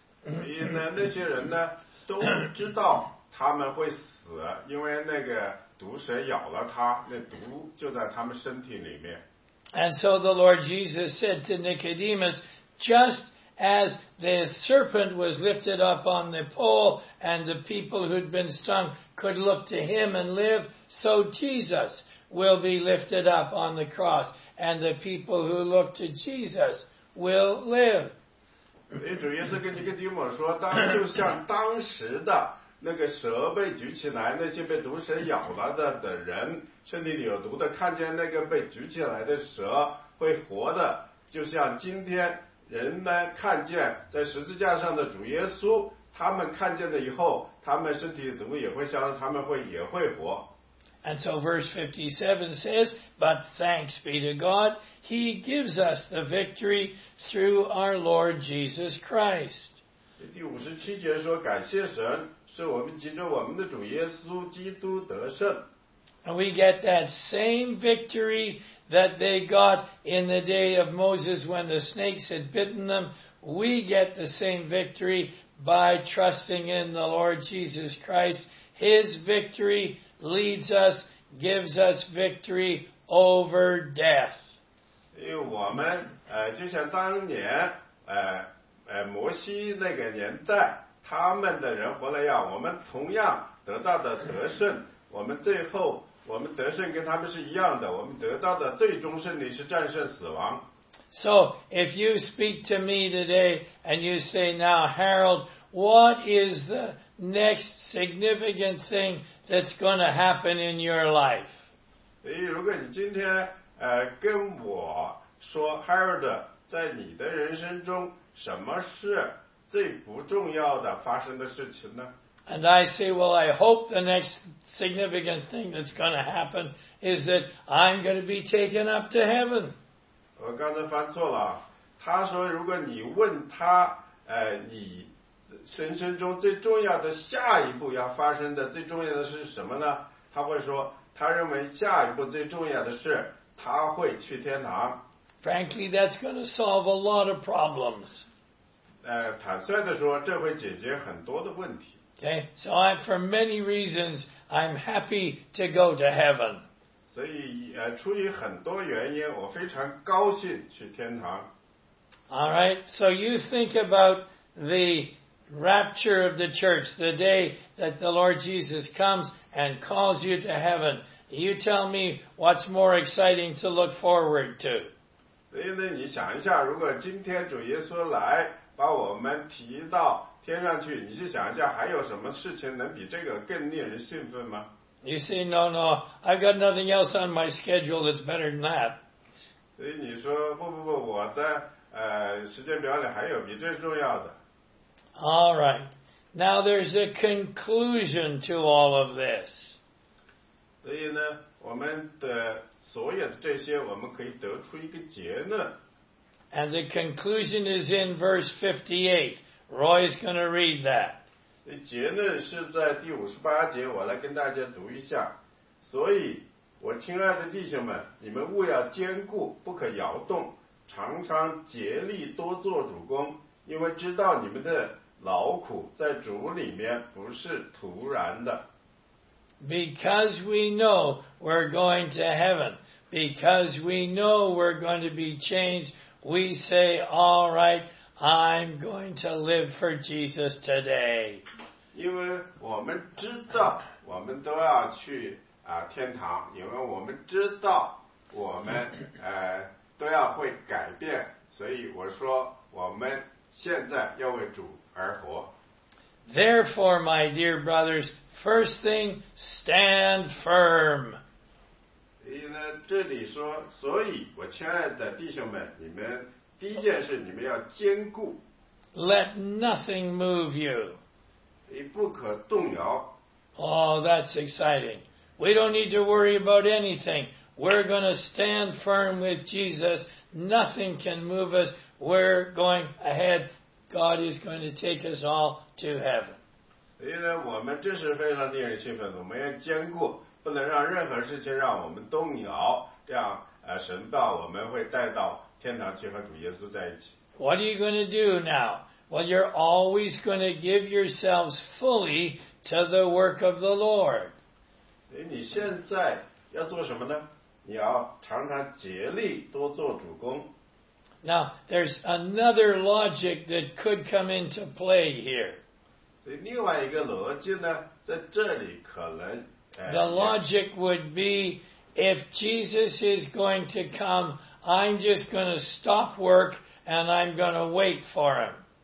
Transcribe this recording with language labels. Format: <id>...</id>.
<zh>所以呢，那些人呢都知道他们会死，因为那个毒蛇咬了他，那毒就在他们身体里面。</zh> <en>And so the Lord Jesus said to Nicodemus, just as the serpent was lifted up on the pole and the people who'd been stung could look to him and live, so Jesus will be lifted up on the cross and the people who look to Jesus will live.</en> <zh>主耶稣跟尼哥底母说，当就像当时的那个蛇被举起来，那些被毒蛇咬了的人，身体里有毒的，看见那个被举起来的蛇会活的，就像今天人们看见在十字架上的主耶稣，他们看见了以后，他们身体毒也会消，他们会也会活。</zh> <en>And so verse 57 says, But thanks be to God, He gives us the victory through our Lord Jesus Christ.</en> <zh>第五十七节说，感谢神，是我们藉着我们的主耶稣基督得胜。</zh> <en>And we get that same victory that they got in the day of Moses when the snakes had bitten them. We get the same victory by trusting in the Lord Jesus Christ. His victory leads us, gives us victory over death.</en> <zh>因为我们就像当年摩西那个年代，他们的人活了样，我们同样得到的得胜，我们最后我们得胜跟他们是一样的，我们得到的最终胜利是战胜死亡。</zh> <en>So, if you speak to me today and you say, now, Harold, what is the next significant thing that's going to happen in your life?</en> <zh>所以如果你今天跟我说 ,Harold, 在你的人生中什么是最不重要的发生的事情呢？</zh> <en>And I say, well, I hope the next significant thing that's going to happen is that I'm going to be taken up to heaven.</en> <zh>我刚才翻错了。他说，如果你问他，你人生中最重要的下一步要发生的最重要的是什么呢？他会说，他认为下一步最重要的是他会去天堂。</zh> <en>Frankly, that's going to solve a lot of problems.</en> <zh>坦率地说，这会解决很多的问题。</zh> <en>Okay, so I, for many reasons, I'm happy to go to heaven.</en> <zh>所以出于很多原因，我非常高兴去天堂。</zh> <en>All right, so you think about the rapture of the church, the day that the Lord Jesus comes and calls you to heaven. You tell me what's more exciting to look forward to.</en> <zh>所以呢，你想一下，如果今天主耶稣来把我们提到天上去，你去想一下，还有什么事情能比这个更令人兴奋吗？</zh> <en>You say, no, no, I've got nothing else on my schedule that's better than that.</en> <zh>所以你说，不不不，我的时间表里还有比这重要的。</zh> <en>All right. Now there's a conclusion to all of this.</en> <zh>所以呢，我们的所有的这些，我们可以得出一个结论。</zh> <en>And the conclusion is in verse 58. Roy is going to read that.</en> <zh>结论是在第五十八节，我来跟大家读一下。所以，我亲爱的弟兄们，你们务要坚固，不可摇动，常常竭力多做主工，因为知道你们的劳苦在主里面不是徒然的。</zh> <en>Because we know we're going to heaven, because we know we're going to be changed, we say, all right, I'm going to live for Jesus today.</en> <zh>因为我们知道我们都要去天堂，因为我们知道我们都要会改变，所以我说我们现在要为主而活。</zh> <en>Therefore, my dear brothers, first thing, stand firm.</en> <zh>所以呢，这里说，所以我亲爱的弟兄们，你们第一件事，你们要坚固。</zh> <en>Let nothing move you.</en> <zh>你不可动摇。</zh> <en>Oh, that's exciting. We don't need to worry about anything. We're going to stand firm with Jesus. Nothing can move us. We're going ahead. God is going to take us all to heaven.</en> <zh>所以呢，我们这是非常令人兴奋的。我们要坚固，不能让任何事情让我们动摇。这样，神把我们会带到天堂去和主耶稣在一起。</zh> <en>What are you going to do now? Well, you're always going to give yourselves fully to the work of the Lord.</en> <zh>所以你现在要做什么呢？你要常常竭力多做主工。</zh> <en>Now, there's another logic that could come into play here.</en> <zh>另外一个逻辑呢，在这里可能。</zh> <en>The logic would be, if Jesus is going to come, I'm just going to stop work and I'm going to wait for him.</en>